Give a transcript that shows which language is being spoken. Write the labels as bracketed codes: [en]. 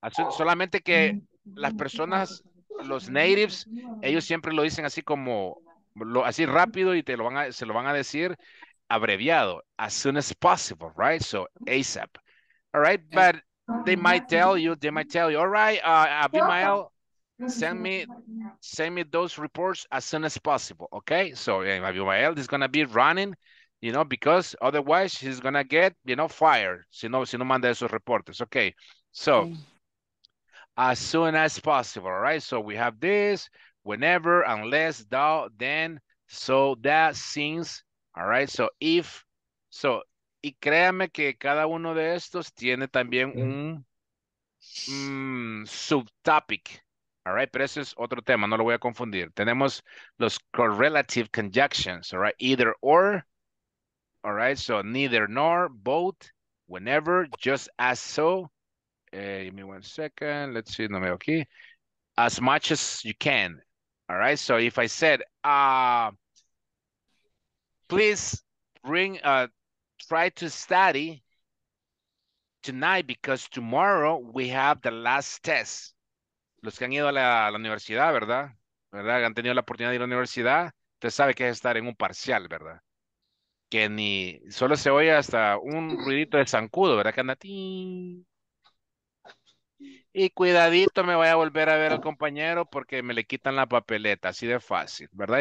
[es] Solamente que las personas, los natives, ellos siempre lo dicen así como, así rápido y se lo van a decir abreviado. [en] As soon as possible, right? So, ASAP. All right? But they might tell you, all right, Abimael, send me those reports as soon as possible, okay? So, Abimael is going to be running. You know, because otherwise he's gonna get, you know, fired. [es] Si no manda esos reportes. [en] Okay. So, as soon as possible. All right. So, we have this, whenever, unless, thou, then, so, that, since. All right. So, if. [es] So, y créame que cada uno de estos tiene también un subtopic. All right. Pero ese es otro tema. No lo voy a confundir. Tenemos los correlative conjunctions. All right. Either or. [en] All right, so neither nor, both, whenever, just as so. Give me 1 second. Let's see. [es] No me aquí. [en] As much as you can. All right, so if I said, please bring, try to study tonight because tomorrow we have the last test. [es] Los que han ido a la universidad, ¿verdad? ¿Verdad? Han tenido la oportunidad de ir a la universidad. Usted sabe que es estar en un parcial, ¿verdad? Que ni solo se oye hasta un ruidito de zancudo, ¿verdad? Que anda ti. Y cuidadito, me voy a volver a ver al compañero porque me le quitan la papeleta, así de fácil, ¿verdad?